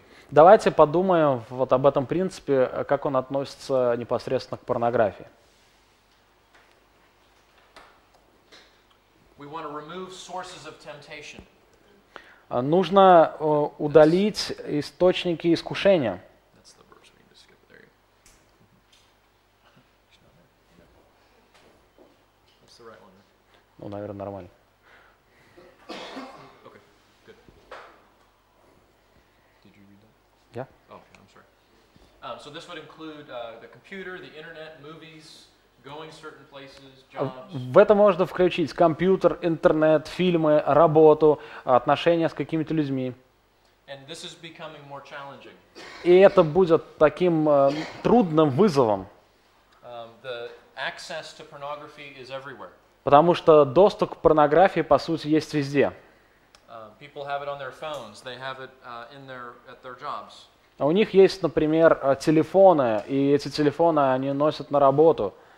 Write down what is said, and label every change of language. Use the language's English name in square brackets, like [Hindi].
[Russian] Давайте подумаем вот об этом принципе, как он относится непосредственно к порнографии. [English] We want to remove sources of temptation. [Russian] Нужно удалить источники искушения. [English] That's the verse we need to skip. There you go. That's the right one. [Russian] Ну, наверное, нормально. [English] Okay, good. Did you read that? Yeah. Oh, okay, I'm sorry. So this would include the computer, the internet, movies. Going certain places, jobs. [Russian] В это можно включить компьютер, интернет, фильмы, работу, отношения с какими-то людьми. [English] And this is becoming more challenging. [Russian] И это будет таким трудным вызовом. [English] The access to pornography is everywhere. [Russian] Потому что доступ к порнографии, по сути, есть везде. [English] People have it on their phones, they have it at their jobs. [Russian] У них есть, например, телефоны, и эти телефоны они носят на работу.